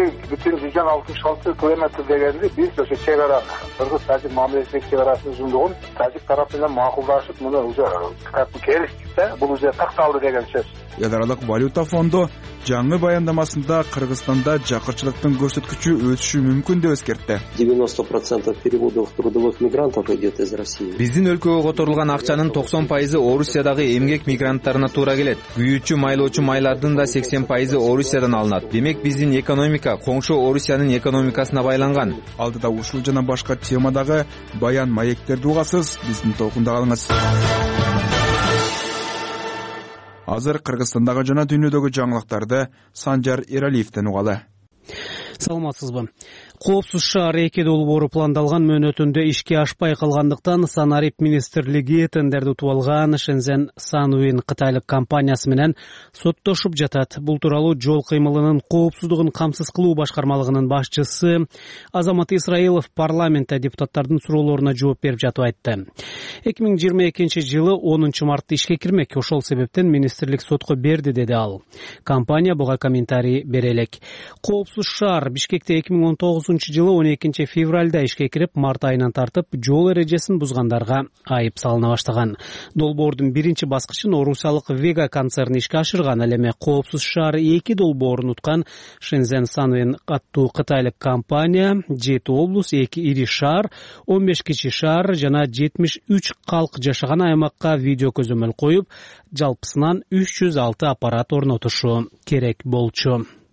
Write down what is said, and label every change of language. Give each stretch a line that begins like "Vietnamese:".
Kyrgyz: 17.166 километр дегенди биз ошо чек ара Кыргыз-Тажик мамлекеттик чек арасынын узундугун Тажик тарап менен макулдашып, муну уже келиштикте, бул уже такталды деген сөз. Эл аралык валюта фонду жаңы баяндамасында Кыргызстанда жакырчылыктын көрсөткүчү өсүшү мүмкүн деп эскертти.
Russian: 90% переводов трудовых мигрантов идет из России.
Kyrgyz: Биздин өлкөгө которулган акчанын 90% Орусиядагы эмгек мигранттарына туура келет. Күйүүчү, майлоочу майлардын да 80% Орусиядан алынат. Демек биздин экономика коңшу Орусиянын экономикасына байланган. Алдыда ушул жана башка темадагы баян маектерди угасыз, биздин толкунда калыңыз. Азыр Кыргызстандагы жана дүйнөдөгү жаңылыктарды Санжар Эралиевден угалы. Саламатсызбы. Коопсуз шаар эки долбоору пландалган мөөнөтүндө ишке ашпай калгандыктан Санарип министрлиги тендерди утуп алган Шензен Санвин кытайлык компаниясы менен соттошуп жатат. Бул тууралуу жол кыймылынын коопсуздугун камсыз кылуу башкармалыгынын башчысы Азамат Исраилов парламентте депутаттардын суроолоруна жооп берип жатып айтты. 2022 жылы 10 мартта ишке кирмек, ошол себептен министрлик сотко берди, деди ал. Компания буга комментарий бере элек. Коопсуз шаар Бишкекте 2019 жылы 12 февралда ишке кирип, март айынан тартып жол эрежесин бузгандарга айып салына баштаган. Долбоордун биринчи баскычын орусиялык Вега концерни ишке ашырган, ал эми коопсуз шаар эки долбоорун уткан Шензен Санвин аттуу кытайлык компания 7 облус, 2 ири шаар, 15 кичи шаар жана 73 калк жашаган аймакка видео көзөмөл коюп, жалпысынан 306 аппарат орнотушу керек болчу.